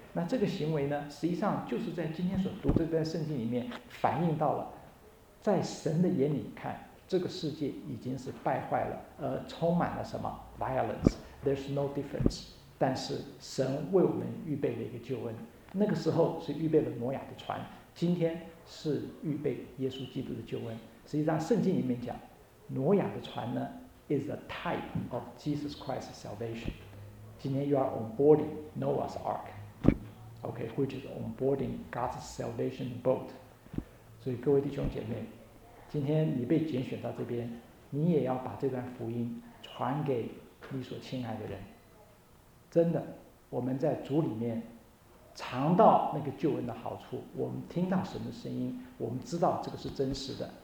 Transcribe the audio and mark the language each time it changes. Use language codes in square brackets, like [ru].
[zh] 那这个行为呢，实际上就是在今天所读这段圣经里面反映到了，在神的眼里看，这个世界已经是败坏了，充满了什么 violence， [en] there's no difference。 [zh] 但是神为我们预备了一个救恩，那个时候是预备了挪亚的船，今天是预备耶稣基督的救恩。实际上圣经里面讲，挪亚的船呢 [en] is a type of Jesus Christ's salvation。 [zh] 今天 [en] you are onboarding Noah's ark， OK， which is onboarding God's salvation boat。 [zh] 所以各位弟兄姐妹，今天你被拣选到这边，你也要把这段福音传给你所亲爱的人。真的，我们在主里面尝到那个救恩的好处，我们听到神的声音，我们知道这个是真实的。